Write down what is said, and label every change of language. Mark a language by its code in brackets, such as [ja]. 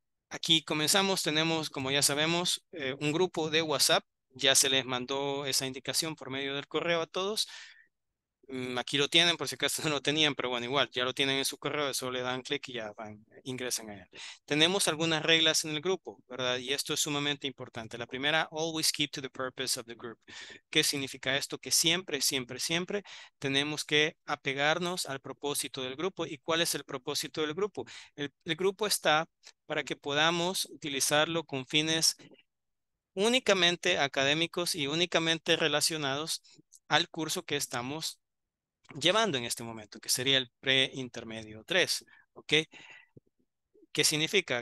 [es] Aquí comenzamos, tenemos, como ya sabemos, un grupo de WhatsApp. Ya se les mandó esa indicación por medio del correo a todos. Aquí lo tienen, por si acaso no lo tenían, pero bueno, igual, ya lo tienen en su correo, eso le dan clic y ya van, ingresan allá. Tenemos algunas reglas en el grupo, ¿verdad? Y esto es sumamente importante. La primera, [en] always keep to the purpose of the group. [es] ¿Qué significa esto? Que siempre, siempre, siempre tenemos que apegarnos al propósito del grupo. ¿Y cuál es el propósito del grupo? El grupo está para que podamos utilizarlo con fines únicamente académicos y únicamente relacionados al curso que estamos llevando en este momento, que sería el preintermedio 3, ¿ok? ¿Qué significa?